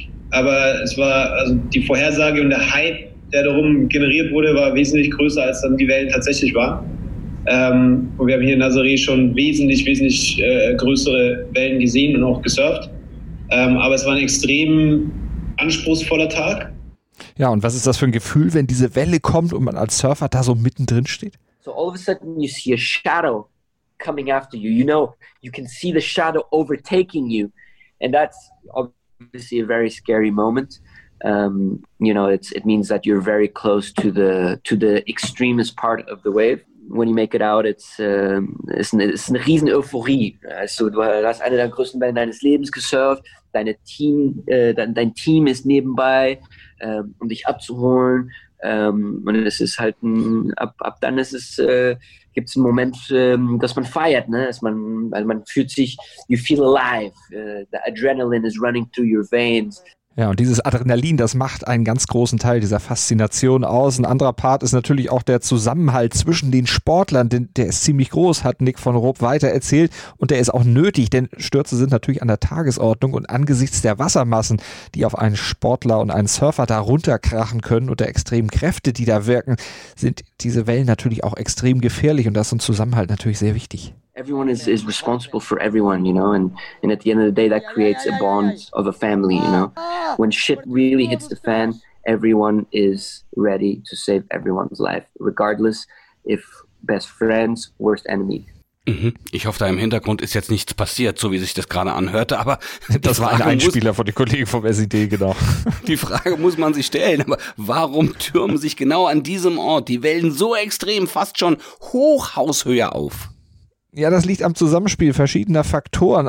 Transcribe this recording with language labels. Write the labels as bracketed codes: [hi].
[de] Aber es war also die Vorhersage und der Hype, der darum generiert wurde, war wesentlich größer, als dann die Wellen tatsächlich waren. Und wir haben hier in Nazaré schon wesentlich, wesentlich größere Wellen gesehen und auch gesurft. Aber es war ein extrem anspruchsvoller Tag. Ja, und was ist das für ein Gefühl, wenn diese Welle kommt und man als Surfer da so mittendrin steht? [en] So all of a sudden you see a shadow coming after you. You know, you can see the shadow overtaking you. And that's obviously a very scary moment. You know, it means that you're very close to the extremest part of the wave. When you make it out, it's [de] eine riesen Euphorie. Also, du hast eine der größten Wellen deines Lebens gesurft. Dein Team ist nebenbei, um dich abzuholen. Und es ist halt gibt's einen Moment, dass man feiert, ne? Man fühlt sich, [en] you feel alive. The adrenaline is running through your veins. [de] Ja, und dieses Adrenalin, das macht einen ganz großen Teil dieser Faszination aus. Ein anderer Part ist natürlich auch der Zusammenhalt zwischen den Sportlern, denn der ist ziemlich groß, hat Nick von Rupp weiter erzählt. Und der ist auch nötig, denn Stürze sind natürlich an der Tagesordnung und angesichts der Wassermassen, die auf einen Sportler und einen Surfer da runterkrachen können und der extremen Kräfte, die da wirken, sind diese Wellen natürlich auch extrem gefährlich und da ist so ein Zusammenhalt natürlich sehr wichtig. [en] Everyone is responsible for everyone, you know, and at the end of the day, that creates a bond of a family, you know. When shit really hits the fan, everyone is ready to save everyone's life, regardless if best friends, worst enemy. [de] Ich hoffe, da im Hintergrund ist jetzt nichts passiert, so wie sich das gerade anhörte, aber das war ein Einspieler von den Kollegen vom SID, genau. Die Frage muss man sich stellen, aber warum türmen sich genau an diesem Ort die Wellen so extrem, fast schon Hochhaushöhe auf? Ja, das liegt am Zusammenspiel verschiedener Faktoren.